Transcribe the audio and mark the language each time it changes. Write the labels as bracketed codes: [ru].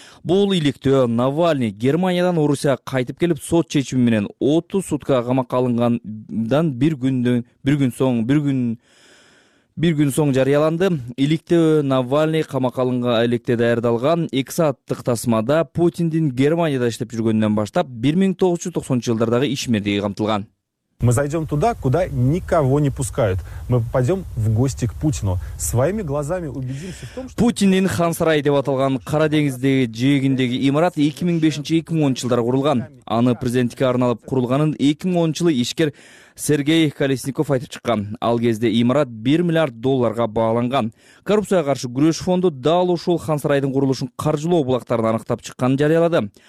[ky] Бул иликтөө Навальный Германиядан Орусияга кайтып келип сот чечими менен 30 сутка камакка алынгандан бир күн соң жарыяланды. Иликтөө Навальный камакка алынган иликтөө даярдалган 2 сааттык тасмада Путиндин Германияда иштеп жүргөндөн баштап 1990-жылдардагы ишмердиги камтылган. [ru] Мы зайдем туда, куда никого не пускают. Мы попадем в гости к Путину. Своими глазами убедимся в том, что... [ky] Путиндин хан сарайы деп аталган Кара деңиздеги жээгиндеги имарат 2005-2010 жылдары курулган. Аны президенттикке арналып курулганын 2010 жылы ишкер Сергей Колесников айтып чыккан. Ал кезде имарат 1 миллиард долларга бааланган. Коррупцияга каршы күрөш фонду дал ушул хан сарайдын курулушун каржылоо булактарын аныктап чыкканын жарыялады.